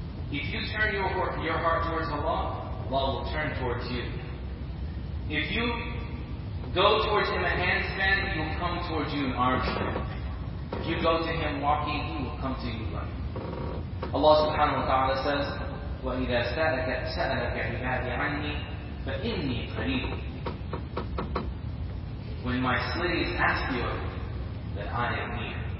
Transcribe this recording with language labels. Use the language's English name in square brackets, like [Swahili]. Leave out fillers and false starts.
[English] If you turn your heart towards Allah, Allah will turn towards you. If you go towards Him a handstand, He will come towards you in arms. If you go to Him walking, He will come to you running. Allah subhanahu wa ta'ala says, [Arabic] وَإِذَا سَأَلَكَ عِبَادِي عَنِّي فَإِنِّي قَرِيبٌ. [English] When my slaves ask you of me, that I am near.